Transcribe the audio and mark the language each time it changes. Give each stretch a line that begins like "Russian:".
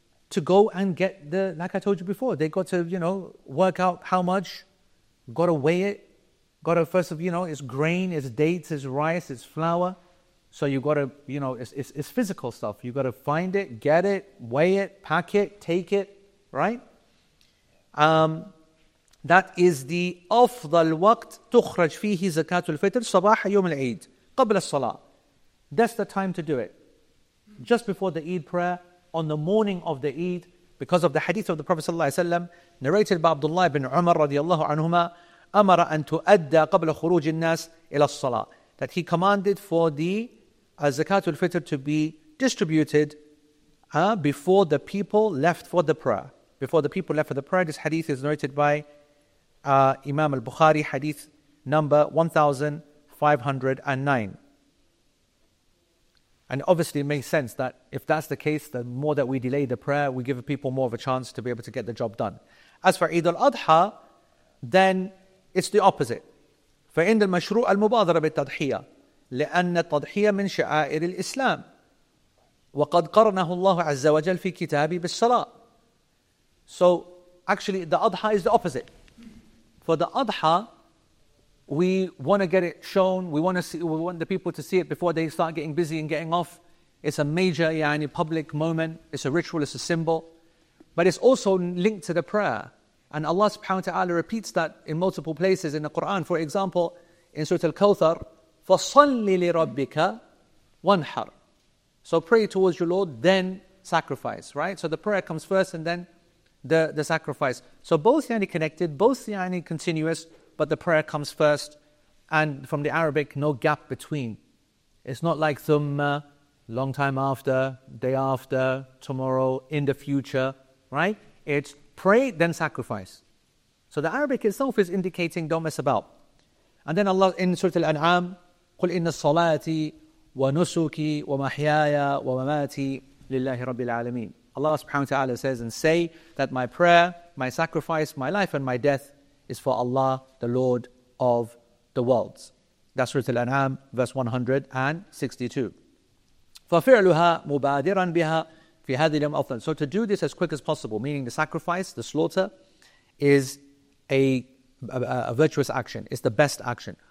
English: to go and get the, like I told you before, they got to, you know, work out how much, got to weigh it, got to first of, you know, it's grain, it's dates, it's rice, it's flour. So you got to, you know, it's physical stuff. You got to find it, get it, weigh it, pack it, take it, right? That is the
Arabic: أفضل وقت تخرج فيه زكاة الفطر صباح يوم العيد قبل الصلاة.
English: That's the time to do it. Just before the Eid prayer, on the morning of the Eid, because of the hadith of the Prophet sallallahu alaihi wasallam, narrated by Abdullah ibn Umar radiallahu anhuma,
Arabic: أمر أن تؤدى قبل خروج الناس إلى الصلاة.
English: That he commanded for the Zakat al-Fitr to be distributed before the people left for the prayer. Before the people left for the prayer, this hadith is narrated by Imam al-Bukhari, hadith number 1509. And obviously it makes sense that if that's the case, the more that we delay the prayer, we give people more of a chance to be able to get the job done. As for Eid al-Adha, then it's the opposite.
Arabic: فإن المشروع المبادرة بالتضحية لأن التضحية من شعائر الإسلام وقد قرنه الله عز وجل في كتابه بالصلاة.
English: So actually the Adha is the opposite. For the Adha, we want to get it shown, we want the people to see it before they start getting busy and getting off. It's a major
Arabic: يعني
English: public moment, it's a ritual, it's a symbol. But it's also linked to the prayer. And Allah subhanahu wa ta'ala repeats that in multiple places in the Quran. For example, in Surah Al-Kawthar,
Arabic: فَصَلِّ لِرَبِّكَ وَانْحَرْ.
English: So pray towards your Lord, then sacrifice, right? So the prayer comes first and then the sacrifice. So both yani connected, both yani continuous, but the prayer comes first. And from the Arabic, no gap between. It's not like thumma, long time after, day after, tomorrow, in the future, right? It's pray, then sacrifice. So the Arabic itself is indicating don't mess about. And then Allah in Surah Al-An'am,
Arabic: قُلْ إِنَّ الصَّلَاةِ وَنُسُكِ وَمَحْيَايَ وَمَمَاتِ لِلَّهِ رَبِّ الْعَالَمِينَ.
English: Allah subhanahu wa ta'ala says, and say that my prayer, my sacrifice, my life and my death is for Allah, the Lord of the worlds. That's Surah Al-An'am, verse 162.
Arabic: فَفِعْلُهَا مُبَادِرًا بِهَا.
English: So to do this as quick as possible, meaning the sacrifice, the slaughter, is a virtuous action. It's the best action.